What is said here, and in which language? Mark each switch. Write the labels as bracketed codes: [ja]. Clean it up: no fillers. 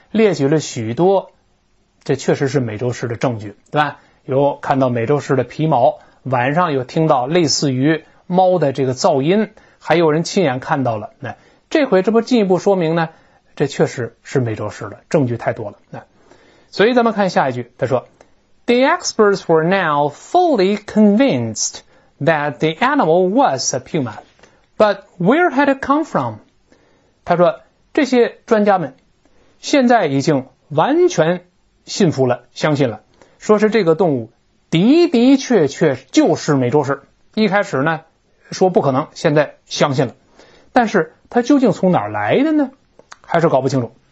[zh] 列举了许多，这确实是美洲狮的证据，对吧？有看到美洲狮的皮毛，晚上有听到类似于猫的这个噪音，还有人亲眼看到了。这回这不进一步说明呢，这确实是美洲狮的证据太多了。所以咱们看下一句，他说 [en] The experts were now fully convinced that the animal was a puma, but where had it come from? [zh] 他说这些专家们现在已经完全信服了，相信了，说是这个动物的的确确就是美洲狮。一开始呢说不可能，现在相信了，但是它究竟从哪儿来的呢，还是搞不清楚。